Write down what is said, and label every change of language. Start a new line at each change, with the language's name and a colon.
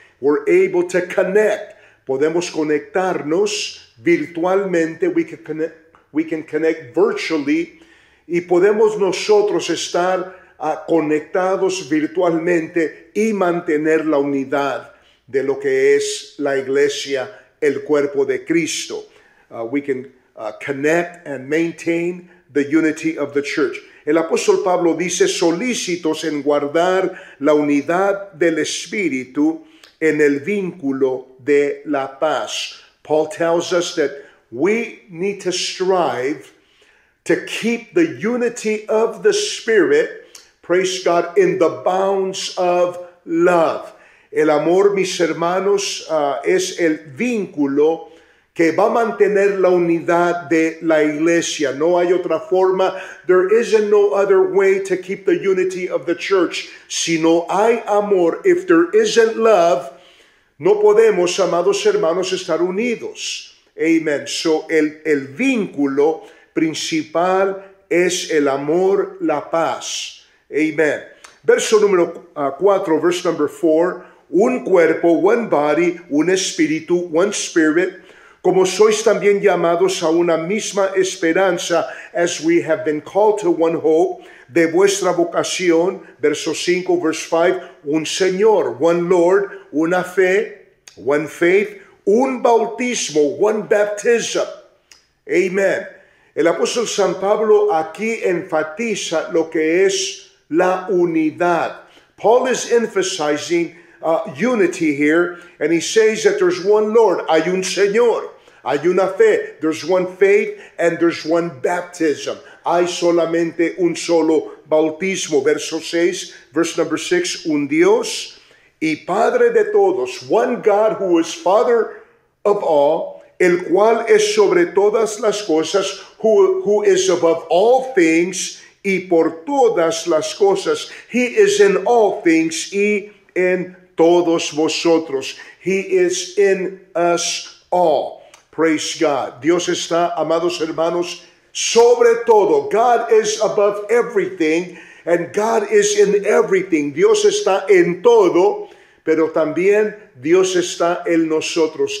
English: We're able to connect.
Spanish: Podemos conectarnos virtualmente.
English: We can connect virtually.
Spanish: Y podemos nosotros estar conectados virtualmente y mantener la unidad de lo que es la iglesia, el cuerpo de Cristo.
English: We can connect and maintain the unity of the church.
Spanish: El apóstol Pablo dice, solícitos en guardar la unidad del Espíritu en el vínculo de la paz.
English: Paul tells us that we need to strive to keep the unity of the Spirit, praise God, in the bounds of love.
Spanish: El amor, mis hermanos, es el vínculo que va a mantener la unidad de la iglesia. No hay otra forma.
English: There is no other way to keep the unity of the church.
Spanish: Si no hay amor,
English: if there isn't love,
Spanish: no podemos, amados hermanos, estar unidos. Amen. So el vínculo principal es el amor, la paz. Amen. Verso número 4,
English: verse number 4.
Spanish: Un cuerpo,
English: one body,
Spanish: un espíritu,
English: one spirit,
Spanish: como sois también llamados a una misma esperanza,
English: as we have been called to one hope,
Spanish: de vuestra vocación, verso 5,
English: verse 5,
Spanish: un Señor,
English: one Lord,
Spanish: una fe,
English: one faith,
Spanish: un bautismo,
English: one baptism.
Spanish: Amen. El apóstol San Pablo aquí enfatiza lo que es la unidad.
English: Paul is emphasizing unity here, and he says that there's one Lord,
Spanish: hay un Señor, hay una fe,
English: there's one faith, and there's one baptism.
Spanish: Hay solamente un solo bautismo. Verso 6,
English: verse number 6,
Spanish: un Dios y Padre de todos,
English: one God who is Father of all,
Spanish: el cual es sobre todas las cosas,
English: who is above all things
Spanish: y por todas las cosas.
English: He is in all things
Spanish: y en todos vosotros.
English: He is in us all. Praise God.
Spanish: Dios está, amados hermanos, sobre todo.
English: God is above everything and God is in everything.
Spanish: Dios está en todo, pero también Dios está en nosotros.